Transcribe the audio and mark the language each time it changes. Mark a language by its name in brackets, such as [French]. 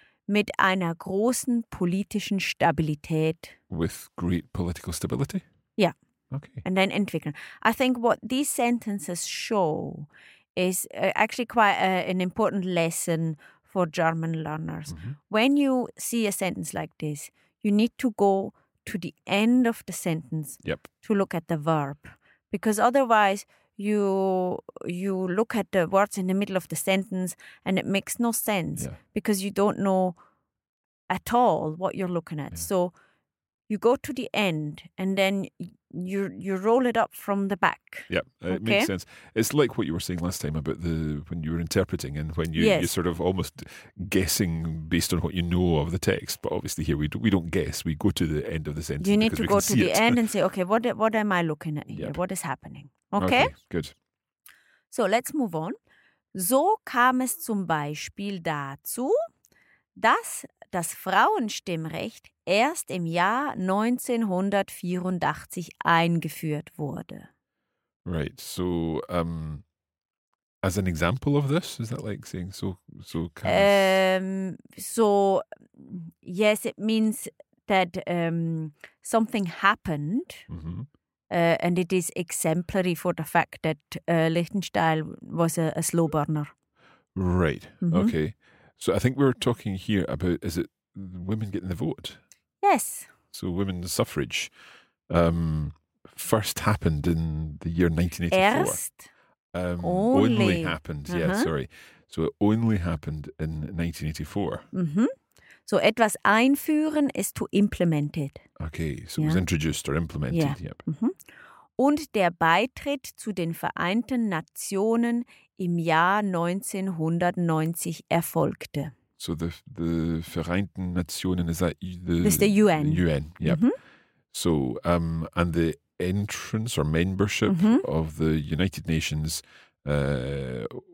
[German] Mit einer großen politischen Stabilität. [English] With great political stability? [German] Ja. [English] Okay. And then entwickeln. I think what these sentences show is actually quite an important lesson for German learners. Mm-hmm. When you see a sentence like this, you need to go to the end of the sentence yep. to look at the verb. Because otherwise, you look at the words in the middle of the sentence and it makes no sense yeah. because you don't know at all what you're looking at. Yeah. So you go to the end and then you roll it up from the back. Yeah, it okay? makes sense. It's like what you were saying last time about the when you were interpreting and when you, yes. you're sort of almost guessing based on what you know of the text. But obviously here we don't guess. We go to the end of the sentence. You need to go to the it. End and say, okay, what am I looking at here? Yep. What is happening? Okay, good. So let's move on. [German] So kam es zum Beispiel dazu, dass das Frauenstimmrecht erst im Jahr 1984 eingeführt wurde. [English] Right, so as an example of this, is that like saying so kind of... So yes, it means that something happened mm-hmm. And it is exemplary for the fact that Liechtenstein was a slow burner. Right, mm-hmm. Okay. So I think we're talking here about, is it women getting the vote? Yes. So women's suffrage first happened in the year 1984. Erst? Only happened, uh-huh. Yeah, sorry. So it only happened in 1984. Mm-hmm. [German] So etwas einführen ist [English] to implement it. Okay, so yeah. it was introduced or implemented. Yeah. Yep. Mm-hmm. [German] Und der Beitritt zu den Vereinten Nationen im Jahr 1990 erfolgte. [English] So the Vereinten Nationen, is that the... It's the UN. The UN, yeah. Mm-hmm. So, and the entrance or membership mm-hmm. of the United Nations happened